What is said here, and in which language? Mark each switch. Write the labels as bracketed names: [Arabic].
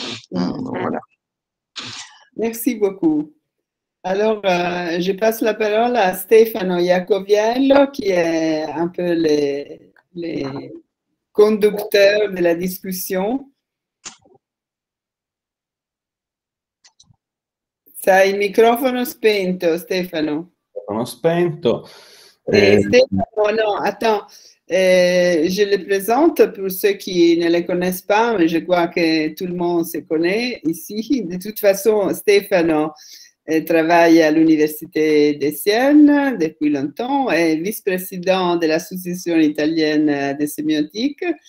[French] voilà. Merci beaucoup. Alors, je passe la parole à Stefano Iacoviello, qui est un peu le conducteur de la discussion. [Italian] C'hai il microfono spento, Stefano. Sono spento. Stefano, no, [French] attends. Je le présente pour ceux qui ne le connaissent pas, mais je crois que tout le monde se connaît ici. De toute façon, Stefano travaille à l'Université de Sienne depuis longtemps et est vice-président de l'Association italienne de sémiotique.